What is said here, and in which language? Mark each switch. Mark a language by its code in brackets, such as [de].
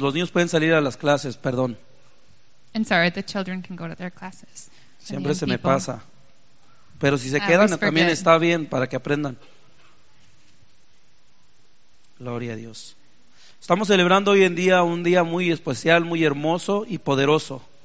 [es] Los niños pueden salir a las clases, perdón. [en] I'm sorry, the children can go to their classes. [es] Siempre se me pasa. Pero si se quedan, también está bien para que aprendan. Gloria a Dios. Estamos celebrando hoy en día un día muy especial, muy hermoso y poderoso.